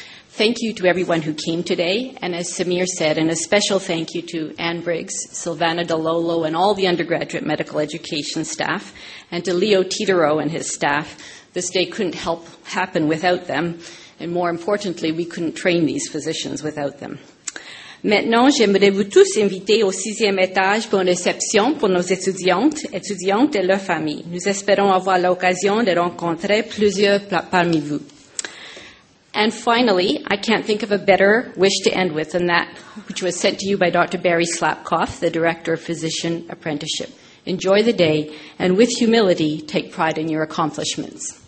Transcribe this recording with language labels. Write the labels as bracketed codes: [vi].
[en] Thank you to everyone who came today. And as Samir said, and a special thank you to Anne Briggs, Silvana DeLolo, and all the undergraduate medical education staff, and to Leo Titero and his staff. This day couldn't help happen without them, and more importantly, we couldn't train these physicians without them. [fr] Maintenant, j'aimerais vous tous inviter au 6e étage pour une réception pour nos étudiantes et leurs familles. Nous espérons avoir l'occasion de rencontrer plusieurs parmi vous. [en] And finally, I can't think of a better wish to end with than that which was sent to you by Dr. Barry Slapkoff, the Director of Physician Apprenticeship. Enjoy the day, and with humility, take pride in your accomplishments.